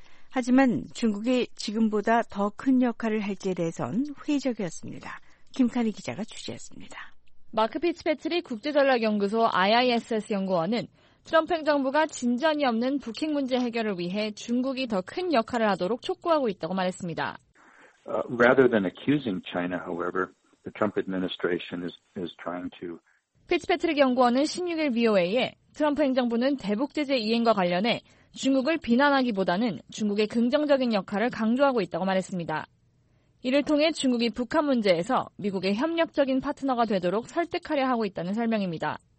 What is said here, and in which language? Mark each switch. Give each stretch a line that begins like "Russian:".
Korean: 하지만 중국이 지금보다 더 큰 역할을 할지에 대해선 회의적이었습니다. 김카니 기자가 취재했습니다. 마크 피츠패트리 국제전략연구소 IISS 연구원은 트럼프 행정부가 진전이 없는 북핵 문제 해결을 위해 중국이 더 큰 역할을 하도록 촉구하고 있다고 말했습니다.
English: Rather than accusing China, however, the Trump administration is trying to.
Korean: 피츠패트릭 연구원은 16일 VOA에 트럼프 행정부는 대북 제재 이행과 관련해 중국을 비난하기보다는 중국의 긍정적인 역할을 강조하고 있다고 말했습니다. 이를 통해 중국이 북한 문제에서 미국의 협력적인 파트너가 되도록 설득하려 하고 있다는 설명입니다.